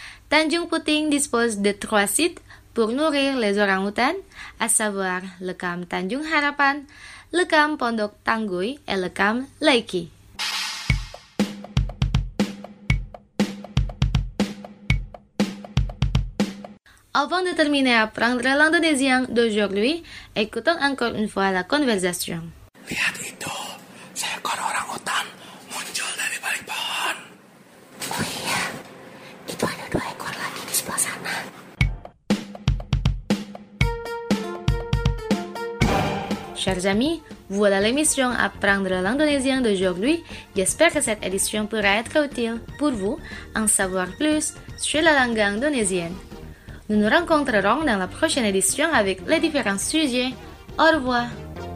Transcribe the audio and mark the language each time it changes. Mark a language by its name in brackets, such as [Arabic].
[French] Tanjung Puting dispose de trois sites pour nourrir les orang-outans, à savoir le camp Tanjung Harapan, le camp Pondok Tangguy et le camp Laiki. Avant de terminer à apprendre l'indonésien d'aujourd'hui, écoutons encore une fois la conversation. [Indonesian] Lihat itu. Seekor orang-utan muncul dari balik pohon. Oh iya, itu ada dua ekor lagi di sebelah sana. [French] Chers amis, voilà l'émission Apprendre l'indonésien d'aujourd'hui. J'espère que cette édition pourra être utile pour vous en savoir plus sur la langue indonésienne. Nous nous rencontrerons dans la prochaine édition avec les différents sujets. Au revoir.